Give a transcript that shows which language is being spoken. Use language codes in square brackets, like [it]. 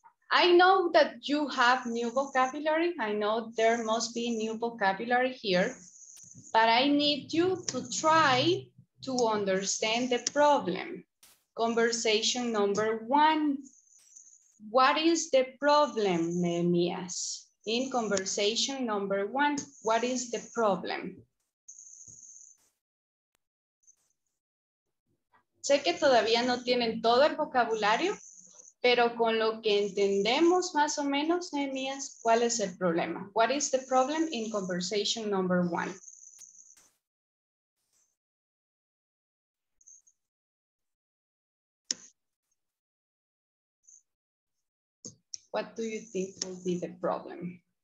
[en] I know that you have new vocabulary. I know there must be new vocabulary here, but I need you to try to understand the problem. Conversation number one. What is the problem, Nehemias? In conversation number one, what is the problem? [es] Sé que todavía no tienen todo el vocabulario, pero con lo que entendemos más o menos, Nehemias, ¿cuál es el problema? [en] What is the problem in conversation number one? What do you think will be the problem?